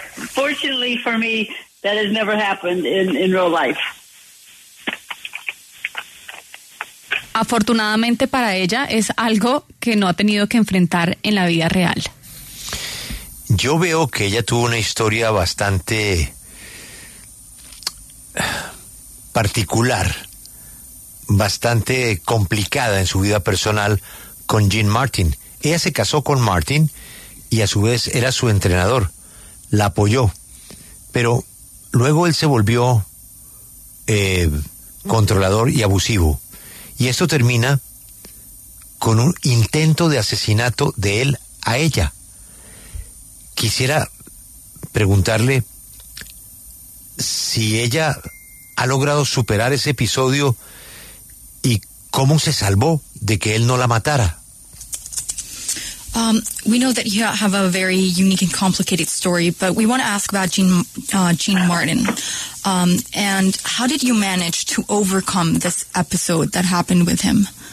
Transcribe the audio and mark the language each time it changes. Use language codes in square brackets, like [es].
[en] Fortunately for me, that has never happened in real life. [es] Afortunadamente para ella es algo que no ha tenido que enfrentar en la vida real. Yo veo que ella tuvo una historia bastante particular, bastante complicada en su vida personal con Jean Martin. Ella se casó con Martin y a su vez era su entrenador, la apoyó, pero luego él se volvió controlador y abusivo. Y esto termina con un intento de asesinato de él a ella. Quisiera preguntarle si ella ha logrado superar ese episodio y cómo se salvó de que él no la matara. [en] We know that you have a very unique and complicated story, but we want to ask about Jean Martin. And how did you manage to overcome this episode that happened with him?